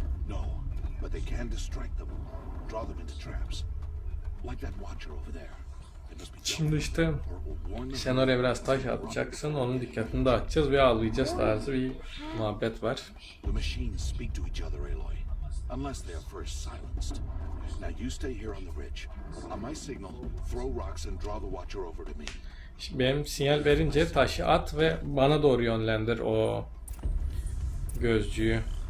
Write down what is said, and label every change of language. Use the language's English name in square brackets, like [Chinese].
[English] No, but they can distract them, draw them into traps. Like that watcher over there. [Turkish] Şimdi işte sen oraya biraz taş atacaksın, onun dikkatini dağıtacağız ve ağlayacağız tarzı bir muhabbet var. [English] The machines speak to each other, Aloy. Unless they are first silenced. Now you stay here on the ridge. On my signal, throw rocks and draw the watcher over to me. [Turkish] Şimdi benim sinyal verince taşı at ve bana doğru yönlendir o gözcüğü.